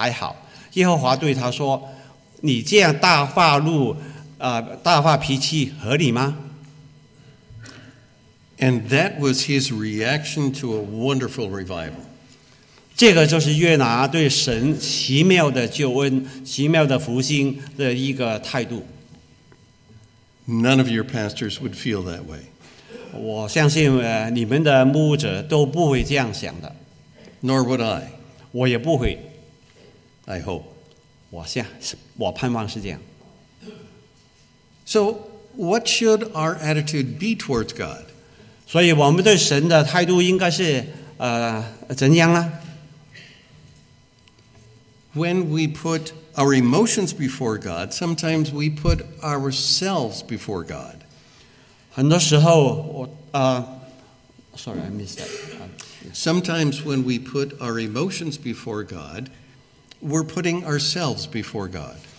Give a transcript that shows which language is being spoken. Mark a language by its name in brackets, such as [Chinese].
[Chinese] 他向耶和华祷告说：“耶和华，我在家乡的时候岂不早就说过你会这样做吗？我知道你是一位有恩典、有怜悯的上帝，不轻易发怒，充满慈爱，不忍心降灾，所以我才寄书逃往他师。耶和华啊，求你收回我的性命吧，我死了比活着还好。”耶和华对他说。 [English] And that was his reaction to a wonderful revival. [Chinese] 这个就是约拿对神奇妙的救恩、奇妙的福星的一个态度。 [English] None of your pastors would feel that way. [Chinese] 我相信你们的牧者都不会这样想的。 [English] Nor would I. [Chinese] 我也不会。 [English] I hope. [Chinese] 我盼望是这样。 [English] So, what should our attitude be towards God? [Chinese] 所以我们对神的态度应该是, 怎样呢? [English] When we put our emotions before God, sometimes we put ourselves before God. [Chinese] 很多时候, [English] sorry, I missed that. Sometimes when we put our emotions before God, we're putting ourselves before God.